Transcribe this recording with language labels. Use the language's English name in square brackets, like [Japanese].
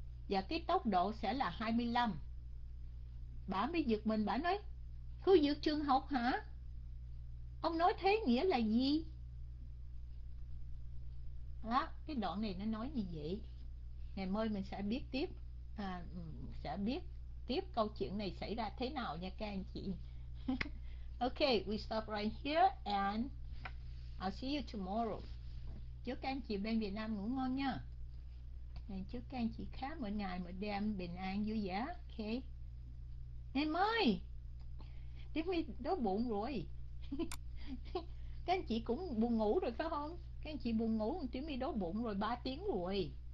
[Vietnamese] Và cái tốc độ sẽ là 25. Bà mới giật mình, bà nói khu vực trường học hả? Ông nói thế nghĩa là gì? Đó, cái đoạn này nó nói như vậy. Ngày mai mình sẽ biết tiếp, sẽ biết tiếp câu chuyện này xảy ra thế nào nha các anh chị. [English] Okay, we stop right here and I'll see you tomorrow. [Vietnamese] Chúc các anh chị bên Việt Nam ngủ ngon nha. Chúc các anh chị khá mỗi ngày mỗi đêm bình an vui vẻ. Okay. Em ơi, Tiếp Huy đói bụng rồi. Các anh chị cũng buồn ngủ rồi phải không? Các anh chị buồn ngủ, Tiếp Huy đói bụng rồi 3 tiếng rồi.